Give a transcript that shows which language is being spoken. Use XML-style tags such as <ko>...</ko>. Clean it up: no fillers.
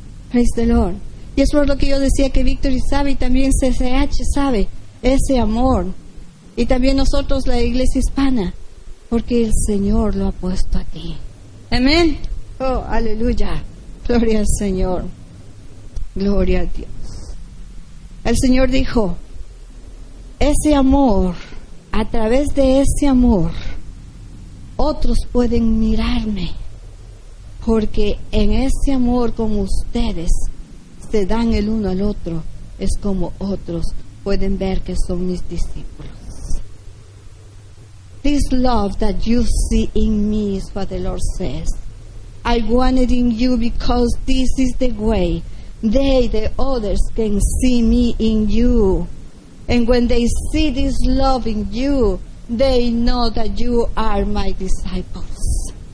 <en>Praise the Lord.</en> <es>Y es por lo que yo decía que Victory sabe y también CCH sabe ese amor. Y también nosotros, la iglesia hispana, porque el Señor lo ha puesto aquí. Amén. Oh, aleluya. Gloria al Señor. Gloria a Dios. El Señor dijo, ese amor, a través de ese amor, otros pueden mirarme. Porque en ese amor, como ustedes se dan el uno al otro, es como otros pueden ver que son mis discípulos.</es> <en>This love that you see in me is what the Lord says. I want it in you because this is the way they, the others, can see me in you. And when they see this love in you, they know that you are my disciples.</en>